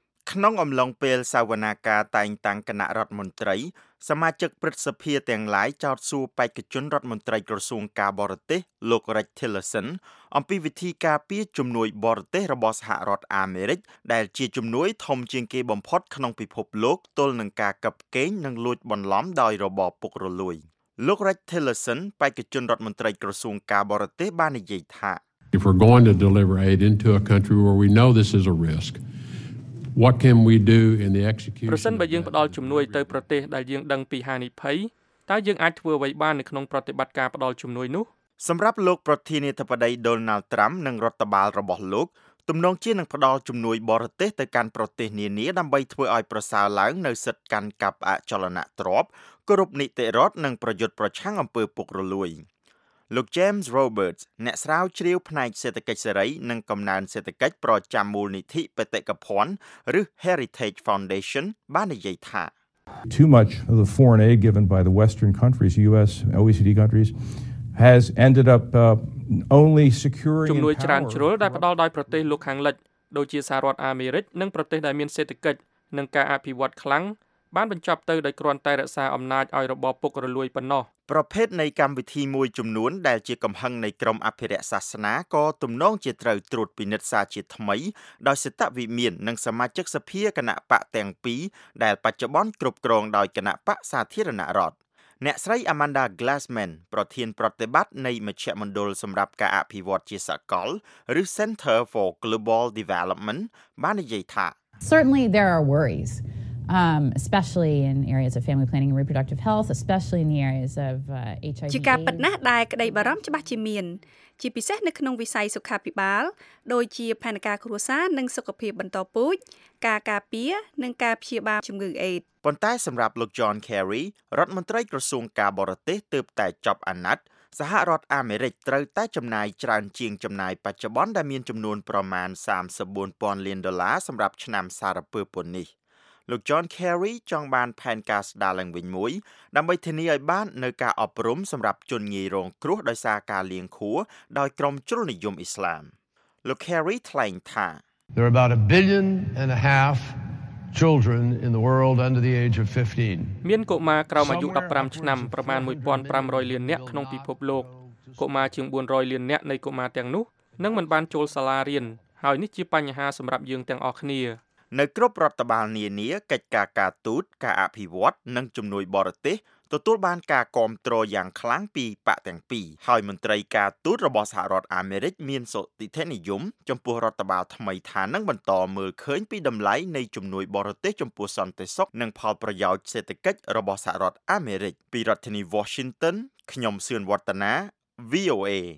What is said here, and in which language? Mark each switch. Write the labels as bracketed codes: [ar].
[km] ក្នុងអំឡុងពេលសវនាកាតែងតាំងគណៈរដ្ឋមន្ត្រីសមាជិកព្រឹទ្ធសភាទាំងឡាយចោទសួរបេក្ខជនរដ្ឋមន្ត្រីក្រសួងការបរទេសលោករ៉ិច ធីលឺសិនអំពីវិធីការពារជំនួយបរទេសរបស់សហរដ្ឋអាមេរិកដែលជាជំនួយធំជាងគេបំផុតក្នុងពិភពលោកទល់នឹងការកាប់កេងនិងលួចបន្លំដោយរបបពុករលួយលោករ៉ិច ធីលឺសិនបេក្ខជនរដ្ឋមន្ត្រីក្រសួងការបរទេសបាននិយាយថា [en] If we're going to deliver aid into a country where we know this is a riskWhat can we do in the execution? [km] ប្រសិនបើយើងផ្ដល់ជំនួយទៅប្រទេសដែលយើងដឹងពីហានិភ័យតើយើងអាចធ្វើអ្វីបាននៅក្នុងប្រតិបត្តិការផ្ដល់ជំនួយនោះ សម្រាប់លោកប្រធានាធិបតី Donald Trump និងរដ្ឋបាលរបស់លោកទំនងជានឹងផ្ដល់ជំនួយបរទេសទៅកាន់ប្រទេសនានាដើម្បីធ្វើឲ្យប្រសើរឡើងនៅសិទ្ធិកាន់កាប់អចលនទ្រព្យគោរពនីតិរដ្ឋនិងប្រយុទ្ធប្រឆាំងអំពើពុករលួយលោក James Roberts អ្នកស្រាវជ្រាវផ្នែកសេដ្ឋកិច្ចសេរីនិងកំណើនសេដ្ឋកិច្ចប្រចាំមូលនិធិបេតិកភណ្ឌឬ Heritage Foundation បាននិយាយថា [en] Too much of the foreign aid given by the Western countries, US, OECD countries has ended up only securing [km] ជំនួយច្រើនជ្រុលដែលផ្ដល់ដោយប្រទេសលោកខាងលិចដូចជាសហរដ្ឋអាមេរិកនិងប្រទេសដែលមានសេដ្ឋកិច្ចនិងការអភិវឌ្ឍខ្លាំងបានបញ្ចប់ទៅដោយគ្រាន់តែរក្សាអំណាចឲ្យរបបពុករលួយប៉ុណ្ណោះ ប្រភេទនៃកម្មវិធីមួយចំនួនដែលជាកំហឹងនៃក្រមអភិរក្សសាសនាក៏ទំនងជាត្រូវត្រួតពិនិត្យសាជាថ្មីដោយសិតវិមាននិងសមាជិកសភាគណៈបកទាំងពីរដែលបច្ចុប្បន្នគ្រប់គ្រងដោយគណៈបកសាធារណរដ្ឋអ្នកស្រី Amanda Glassman ប្រធានប្រតិបត្តិនៃមជ្ឈមណ្ឌលសម្រាប់ការអភិវឌ្ឍជាសកលឬ Center for Global Development បាននិយាយថា [en] Certainly there are worriesespecially in areas of family planning and reproductive health especially in the areas of HIV [km] ជាការពិតណាស់ដែលក្តីបារម្ភច្បាស់ជាមានជាពិសេសនៅក្នុងវិស័យសុខាភិបាលដូចជាផែនការគ្រួសារនិងសុខភាពបន្តពូជការការពារនិងការព្យាបាលជំងឺអេដ ប៉ុន្តែសម្រាប់លោក John Kerry រដ្ឋមន្ត្រីក្រសួងការបរទេសទើបតែចប់អាណត្តិសហរដ្ឋអាមេរិកត្រូវតែចំណាយច្រើនជាងចំណាយបច្ចុប្បន្នដែលមានចំនួនប្រមាណ 34,000 លានដុល្លារសម្រាប់ឆ្នាំសារពើពន្ធនេះលោក John Kerry ចង់បានផែនការស្ដារឡើងវិញមួយដើម្បីធានាឲ្យបាននូវការអប់រំសម្រាប់ជនងាយរងគ្រោះដោយសារការលាងខួរដោយក្រុមជ្រុលនិយមអ៊ីស្លាមលោក Kerry ថ្លែងថា [en] There are about a billion and a half children in the world under the age of 15 [km] មានកុមារក្រោមអាយុ15ឆ្នាំប្រមាណ 1,500 លាននាក់ក្នុងពិភពលោកកុមារជាង400លាននាក់នៃកុមារទាំងនោះនឹងមិនបានចូលសាលារៀនហើយនេះជាបញ្ហាសម្រាប់យើងទាំងអស់គ្នានៅគ្រប់រដ្ឋបាលនានាកិច្ចការការទូតការអភិវឌ្ឍនិងជំនួយបរទេសទទួលបានការគាំទ្រយ៉ាងខ្លាំងពីបកទាំងពីរហើយមន្ត្រីការទូតរបស់សហរដ្ឋអាមេរិកមានសុតិធនិយមចំពោះរដ្ឋបាលថ្មីថានឹងបន្តមើលឃើញពីតម្លៃនៃជំនួយបរទេសចំពោះសន្តិសុខនិងផលប្រយោជន៍សេដ្ឋកិច្ចរបស់សហរដ្ឋអាមេរិកពីរដ្ឋធានី Washington ខ្ញុំសឿនវឌ្ឍនា VOA